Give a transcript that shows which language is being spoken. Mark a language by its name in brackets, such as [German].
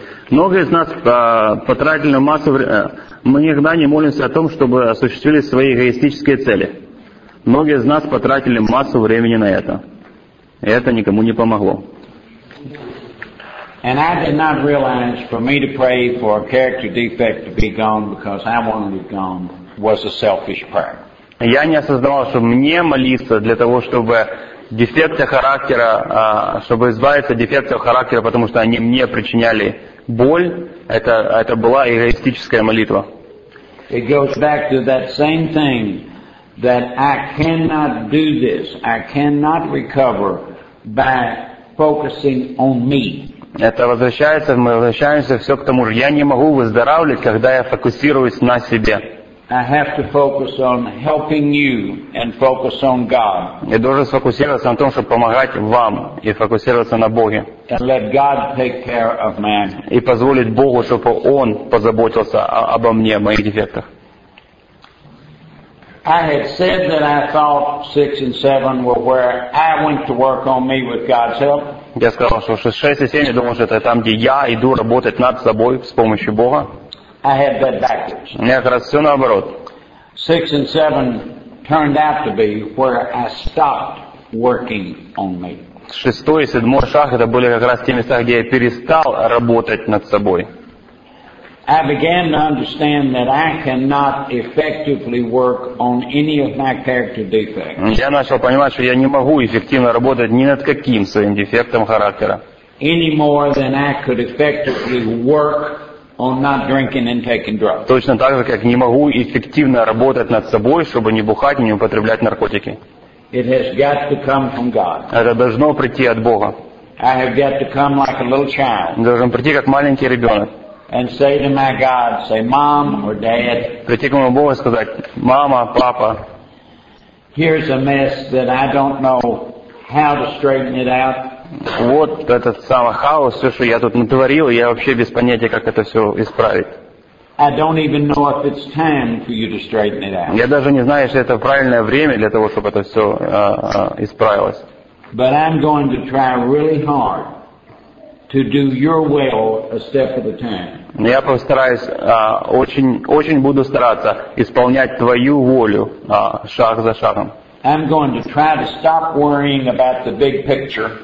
[Russian] Многие из нас потратили массу времени. Мы никогда не молимся о том, чтобы осуществили свои эгоистические цели. Многие из нас потратили массу времени на это. И это никому не помогло. [English] And I did not realize for me to pray for a character defect to be gone because I wanted it gone was a selfish prayer. [Russian] Я не осознавал, что мне молиться для того, чтобы дефекты характера, чтобы избавиться от дефектов характера, потому что они мне причиняли боль, это была эгоистическая молитва. [English] It goes back to that same thing that I cannot do this. I cannot recover by focusing on me. [Russian] Это возвращается, мы возвращаемся все к тому же. Я не могу выздоравливать, когда я фокусируюсь на себе. [English] I have to focus on helping you and focus on God. [Russian] Я должен сфокусироваться на том, чтобы помогать вам и фокусироваться на Боге. [English] And let God take care of man. [Russian] И позволить Богу, чтобы Он позаботился обо мне, о моих дефектах. [English] I had said that I thought 6 and 7 were where I went to work on me with God's help. [Russian] Я сказал, что 6 и 7, я думал, что это там, где я иду работать над собой с помощью Бога. [English] I had that backwards. [Russian] У меня как раз все наоборот. [English] 6 and 7 turned out to be where I stopped working on me. [Russian] 6 и 7 шаг, это были как раз те места, где я перестал работать над собой. [English] I began to understand that I cannot effectively work on any of my character defects. [Russian] Я начал понимать, что я не могу эффективно работать ни над каким своим дефектом характера. [English] Any more than I could effectively work on not drinking and taking drugs. [Russian] Точно так же, как не могу эффективно работать над собой, чтобы не бухать и не употреблять наркотики. [English] It has got to come from God. [Russian] Это должно прийти от Бога. [English] I have got to come like a little child. [Russian] Должен прийти как маленький ребенок. [English] and say to my God, say, Mom or Dad. [Russian] Прийти к моему Богу и сказать, мама, папа. [English] Here's a mess that I don't know how to straighten it out. [Russian] Вот этот самый хаос, все, что я тут натворил, я вообще без понятия, как это все исправить. [English] I don't even know if it's time for you to straighten it out. [Russian] Я даже не знаю, если это правильное время для того, чтобы это все исправилось. [English] But I'm going to try really hard to do your will a step at a time. [Russian] Я постараюсь очень буду стараться исполнять твою волю шаг за шагом. [English] I'm going to try to stop worrying about the big picture.